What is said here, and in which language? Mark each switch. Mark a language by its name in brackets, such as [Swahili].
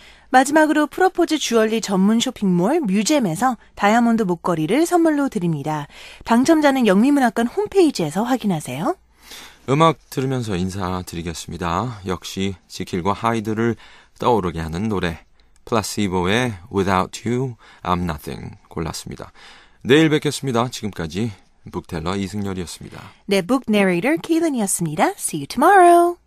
[Korean] 마지막으로 프로포즈 주얼리 전문 쇼핑몰 뮤잼에서 다이아몬드 목걸이를 선물로 드립니다. 당첨자는 영미문학관 홈페이지에서 확인하세요. 음악 들으면서 인사드리겠습니다. 역시 지킬과 하이드를 떠오르게 하는 노래. 플라시보의 Without You, I'm Nothing 골랐습니다. 내일 뵙겠습니다. 지금까지. 북텔러 이승열이었습니다. 네, 북 내레이터 케일린이었습니다. [English] See you tomorrow.